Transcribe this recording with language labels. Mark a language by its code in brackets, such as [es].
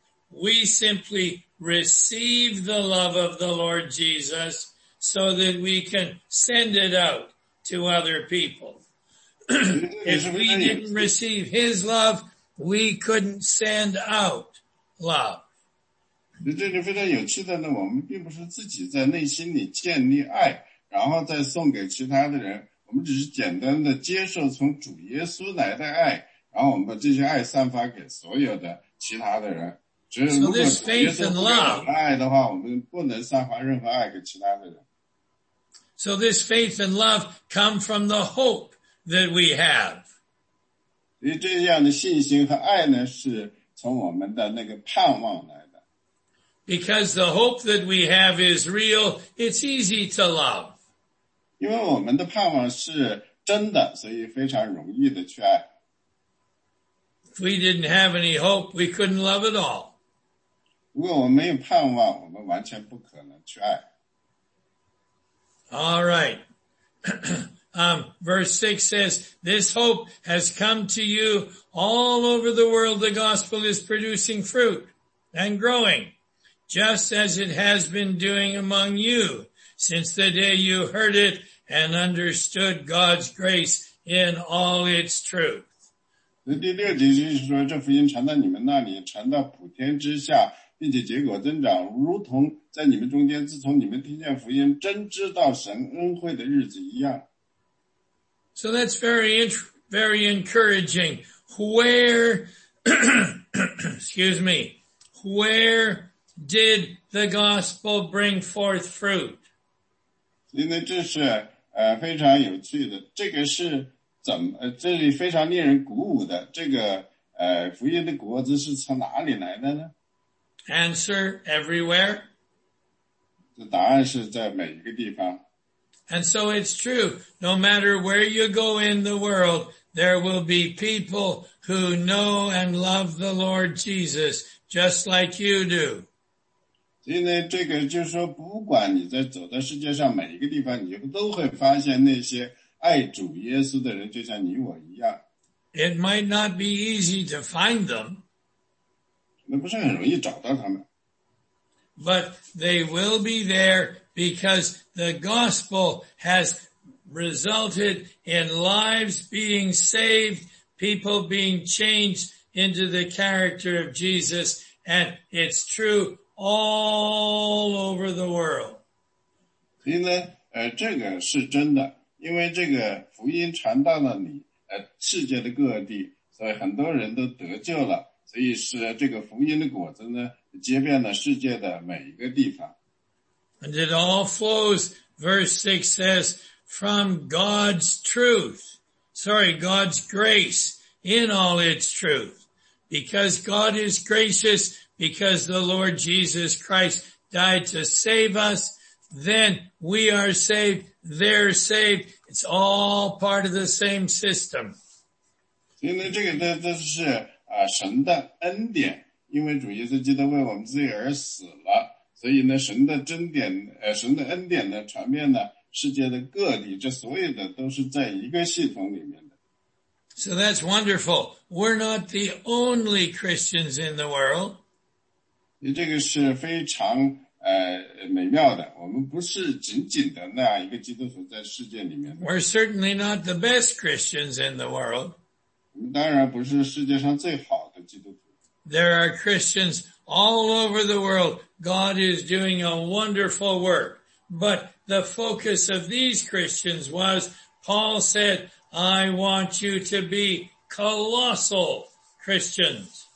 [en] We simply receive the love of the Lord Jesus so that we can send it out to other people. If we didn't receive his love, we couldn't send out love. [zh] 这里非常有趣的呢，我们并不是自己在内心里建立爱，然后再送给其他的人，我们只是简单的接受从主耶稣来的爱，然后我们把这些爱散发给所有的其他的人。 [en] So this faith and love. [zh] 如果耶稣不给我们爱的话，我们不能散发任何爱给其他的人。 [en] So this faith and love come from the hope that we have. [zh] 所以这样的信心和爱呢，是从我们的那个盼望来的。 [en] Because the hope that we have is real, it's easy to love. [zh] 因为我们的盼望是真的，所以非常容易的去爱。 [en] If we didn't have any hope, we couldn't love at all. [zh] 如果我们没有盼望，我们完全不可能去爱。 [en] All right. verse 6 says, this hope has come to you all over the world. The gospel is producing fruit and growing, just as it has been doing among you since the day you heard it and understood God's grace in all its truth. [zh] 第六节就是说这福音传到你们那里传到普天之下并且结果增长如同在你们中间自从你们听见福音真知道神恩惠的日子一样。 [en] So that's very encouraging. Where, excuse me, where did the gospel bring forth fruit? [zh] 因为这是非常有趣的，这个是怎么，这里非常令人鼓舞的，这个福音的果子是从哪里来的呢？ [en] Answer, everywhere. [zh] 这答案是在每一个地方。 [en] And so it's true, no matter where you go in the world, there will be people who know and love the Lord Jesus, just like you do. [zh] 所以呢，这个就是说，不管你在走在世界上每一个地方，你都会发现那些爱主耶稣的人，就像你我一样。 [en] It might not be easy to find them. [zh] 那不是很容易找到他们。 [en] But they will be there because the gospel has resulted in lives being saved, people being changed into the character of Jesus, and it's true all over the world. [zh] 所以呢，这个是真的，因为这个福音传到了你，世界的各地，所以很多人都得救了，所以是这个福音的果子呢，结遍了世界的每一个地方。 [en] And it all flows, verse 6 says, from God's truth. Sorry, God's grace in all its truth. Because God is gracious, because the Lord Jesus Christ died to save us, then we are saved, they're saved. It's all part of the same system. [zh] 因为这个呢，这是神的恩典，因为主耶稣基督为我们罪而死了。所以呢，神的恩典，神的恩典呢，传遍了世界的各地，这所有的都是在一个系统里面的。 [en] So that's wonderful. We're not the only Christians in the world. [zh] 这个是非常美妙的。我们不是仅仅的那样一个基督徒在世界里面的。 [en] We're certainly not the best Christians in the world. [zh] 我们当然不是世界上最好的基督徒。 [en] There are Christians all over the world. God is doing a wonderful work. But the focus of these Christians was, Paul said, I want you to be colossal Christians.